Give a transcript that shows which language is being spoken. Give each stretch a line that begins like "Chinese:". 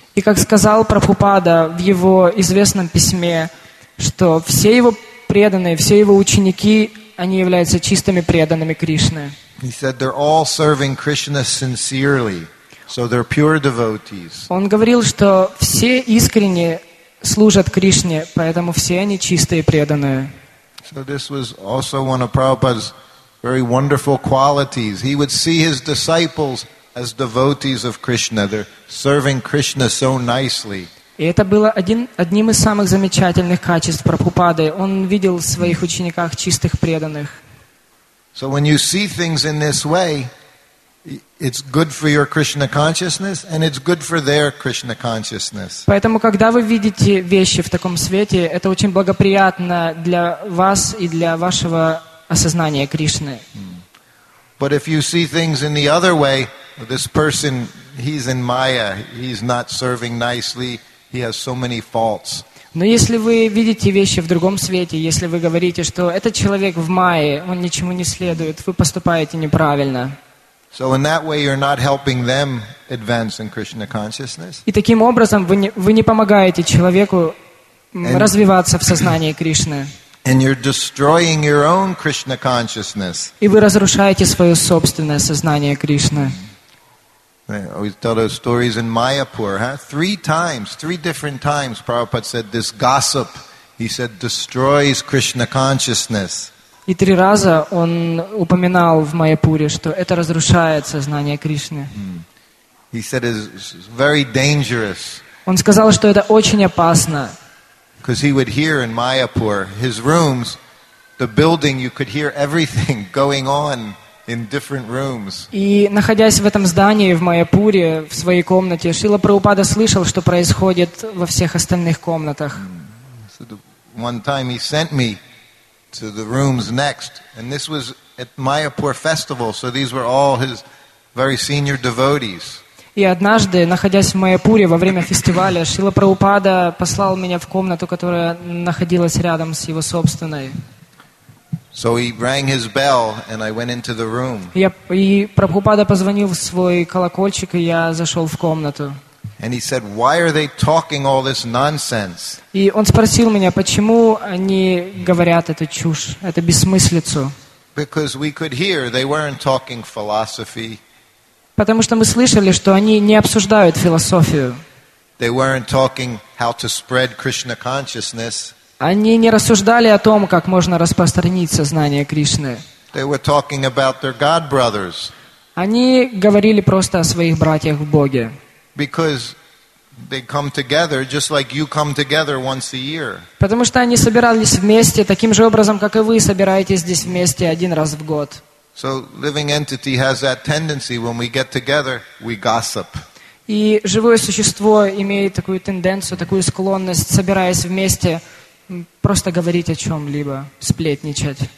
Russian: И как сказал Прабхупада в его известном письме, что все его преданные, все его ученики, они являются чистыми преданными Кришны.
English: He said they're all serving Krishna sincerely, so they're pure devotees.
Russian: Он говорил, что все искренне служат Кришне, поэтому все они чистые преданные.
English: So this was also one of Prabhupada's very wonderful qualities. He would see his disciples as devotees of Krishna. They're serving Krishna so nicely.
Russian: И это было одним из самых замечательных качеств Прабхупады. Он видел в своих учениках чистых преданных.
English: So when you see things in this way, it's good for your Krishna consciousness and it's good for their Krishna consciousness.
Russian: Поэтому когда вы видите вещи в таком свете, это очень благоприятно для вас и для вашего осознания Кришны.
English: But if you see things in the other way, this person, he's in Maya, he's not serving nicely, he has so many faults.
Russian: Но если вы видите вещи в другом свете, если вы говорите, что этот человек в Майе, он ничему не следует, вы поступаете неправильно.
English: So in that way you're not helping them advance in Krishna consciousness.
Russian: И таким образом вы не помогаете человеку развиваться в сознании Кришны.
English: And you're destroying your own Krishna consciousness.
Russian: И вы разрушаете свое собственное сознание Кришны.
English: I always tell those stories in Mayapur, huh? Three different times Prabhupada said this gossip, he said, destroys Krishna consciousness.
Russian: И три раза он упоминал в Майяпуре, что это разрушает сознание Кришны.
English: He said it's very dangerous.
Russian: Он сказал, что это очень опасно.
English: Because he would hear in Mayapur, his rooms, the building, you could hear everything going on in different rooms.
Russian: И находясь в этом здании в Майяпуре, в своей комнате, Шрила Прабхупада слышал, что происходит во всех остальных комнатах.
English: So one time he sent me to the rooms next, and this was at Mayapur festival, so these were all his very senior devotees.
Russian: И однажды, находясь в Майяпуре во время фестиваля, Шрила Прабхупада послал меня в комнату, которая находилась рядом с его собственной.
English: So he rang his bell, and I went into the room.
Russian: И Прабхупада позвонил в свой колокольчик, и я зашел в комнату.
English: And he said, "Why are they talking all this nonsense?"
Russian: И он спросил меня, почему они говорят эту чушь, эту бессмыслицу.
English: Because we could hear they weren't talking philosophy.
Russian: Потому что мы слышали, что они не обсуждают философию.
English: They weren't talking how to spread Krishna consciousness.
Russian: Они не рассуждали о том, как можно распространить сознание Кришны.
English: They were talking about their God brothers.
Russian: Они говорили просто о своих братьях в Боге.
English: Because they come together just like you come together once a year.
Russian: Потому что они собирались вместе таким же образом, как и вы собираетесь здесь вместе один раз в год.
English: So living entity has that tendency when we get together, we gossip.
Russian: И живое существо имеет такую тенденцию, такую склонность, собираясь вместе, просто говорить о чем-либо, сплетничать.